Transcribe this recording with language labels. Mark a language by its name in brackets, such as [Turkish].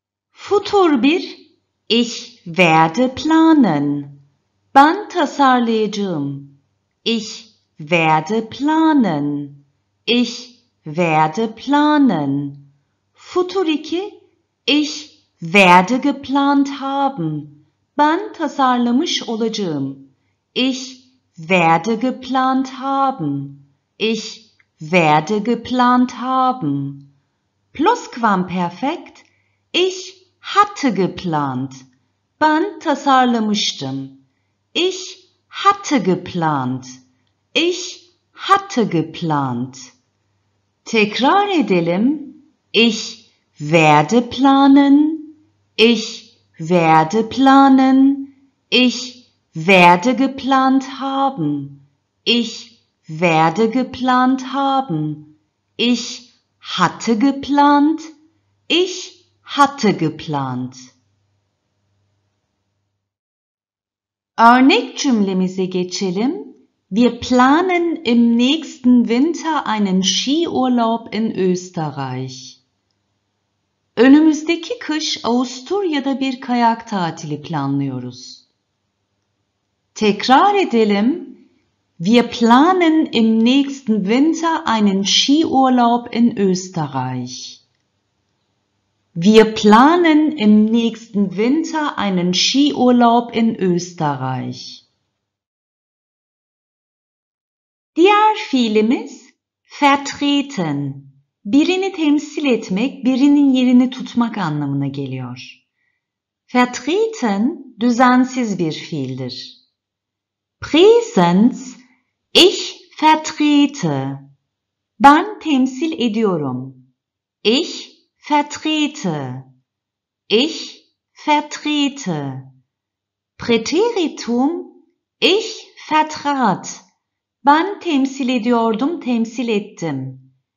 [German] Futur 1. Ich werde planen. [Turkish] Ben tasarlayacağım. [German] Ich werde planen. Ich werde planen. Futur 2. Ich werde geplant haben. [Turkish] Ben tasarlamış olacağım. [German] Ich werde geplant haben. Ich werde geplant haben. Plusquamperfekt. Ich hatte geplant. [Turkish] Ben tasarlamıştım. [German] Ich hatte geplant. Ich hatte geplant. [Turkish] Tekrar edelim. [German] Ich werde planen. Ich werde planen. Ich werde geplant haben. Ich werde geplant haben. Ich hatte geplant. Ich hatte geplant. [Turkish] Örnek cümlemize geçelim. [German] Wir planen im nächsten Winter einen Skiurlaub in Österreich. [Turkish] Önümüzdeki kış Avusturya'da bir kayak tatili planlıyoruz. Tekrar edelim. [German] Wir planen im nächsten Winter einen Skiurlaub in Österreich. Wir planen im nächsten Winter einen Skiurlaub in Österreich. [Turkish] Diğer fiilimiz vertreten. Birini temsil etmek, birinin yerini tutmak anlamına geliyor. Vertreten düzensiz bir fiildir. [German] Präsens, ich vertrete. [Turkish] Ben temsil ediyorum. [German] Ich vertrete. Ich vertrete. Präteritum, ich vertrat. [Turkish] Ben temsil ediyordum, temsil ettim.